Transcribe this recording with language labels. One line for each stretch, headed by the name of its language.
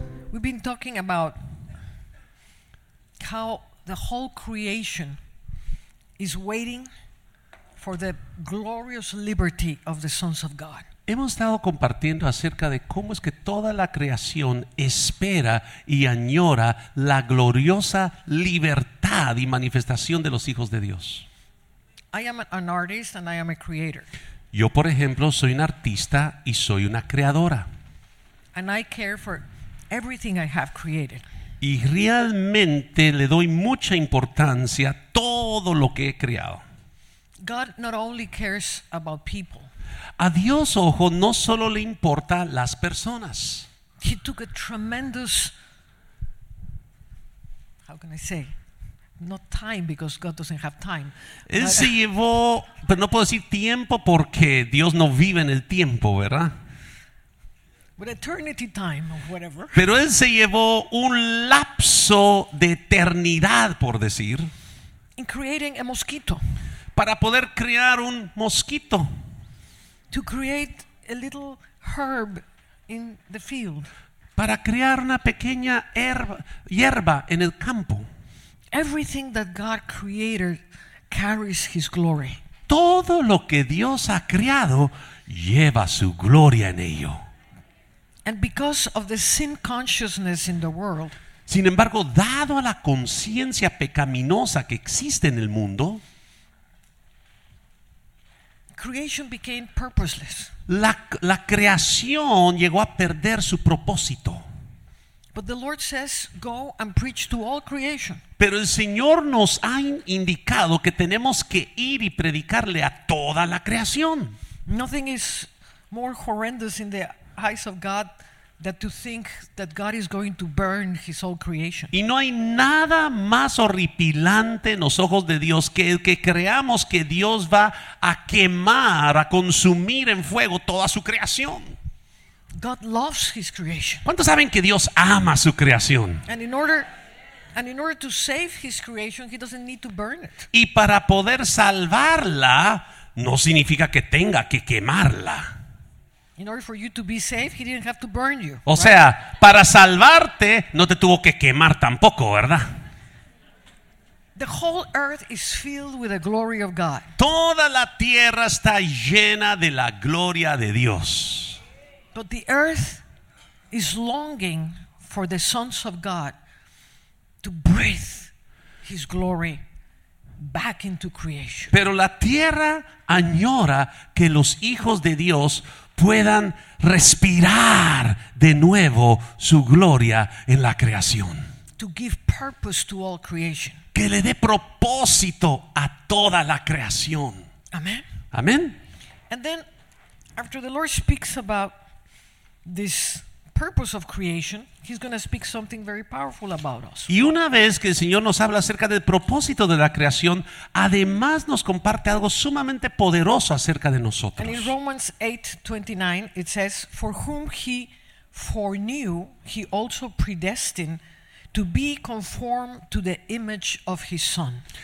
English: We've been talking about how the whole creation is waiting for the glorious liberty of the sons of God.
Spanish: Hemos estado compartiendo acerca de cómo es que toda la creación espera y añora la gloriosa libertad y manifestación de los hijos de Dios.
English: I am an artist and I am a creator.
Spanish: Yo, por ejemplo, soy un artista y soy una creadora.
English: And I care for everything I have created.
Spanish: Y realmente le doy mucha importancia a todo lo que he creado.
English: God not only cares about people.
Spanish: A Dios, ojo, no solo le importan las personas.
English: He took a tremendous, how can I say, not time because God doesn't have time.
Spanish: Él se llevó, pero no puedo decir tiempo porque Dios no vive en el tiempo, ¿verdad?
English: But eternity time or whatever.
Spanish: Pero él se llevó un lapso de eternidad, por decir.
English: In creating a mosquito.
Spanish: Para poder crear un mosquito.
English: To create a little herb in the field.
Spanish: Para crear una pequeña hierba en el campo.
English: Everything that God created carries his glory.
Spanish: Todo lo que Dios ha creado lleva su gloria en ello.
English: And because of the sin consciousness in the world,
Spanish: sin embargo, dado a la conciencia pecaminosa que existe en el mundo,
English: creation became purposeless.
Spanish: La creación llegó a perder su propósito.
English: But the Lord says, "Go and preach to all creation."
Spanish: Pero el Señor nos ha indicado que tenemos que ir y predicarle a toda la creación.
English: Nothing is more horrendous in the eyes of God that to think that God is going to burn his whole creation.
Spanish: Y no hay nada más horripilante en los ojos de Dios que el que creamos que Dios va a quemar, a consumir en fuego toda su creación.
English: God loves his creation.
Spanish: ¿Cuántos saben que Dios ama su creación?
English: And in order to save his creation, he doesn't need to burn it.
Spanish: Y para poder salvarla no significa que tenga que quemarla.
English: In order for you to be safe, he didn't have to burn you.
Spanish: O sea,
English: right?
Spanish: Para salvarte, no te tuvo que quemar tampoco, ¿verdad?
English: The whole earth is filled with the glory of God.
Spanish: Toda la tierra está llena de la gloria de Dios.
English: But the earth is longing for the sons of God to breathe his glory back into creation.
Spanish: Pero la tierra añora que los hijos de Dios puedan respirar de nuevo su gloria en la creación.
English: To give purpose to all creation.
Spanish: Que le dé propósito a toda la creación.
English: Amen.
Spanish: Amen.
English: And then, after the Lord speaks about this purpose of creation, he's going to speak something very powerful about us.
Spanish: Y una vez que el Señor nos habla acerca del propósito de la creación, además nos comparte algo sumamente poderoso acerca de nosotros.
English: And in Romans 8:29 it says, "For whom he foreknew, he also predestined to be conformed to the image of his son."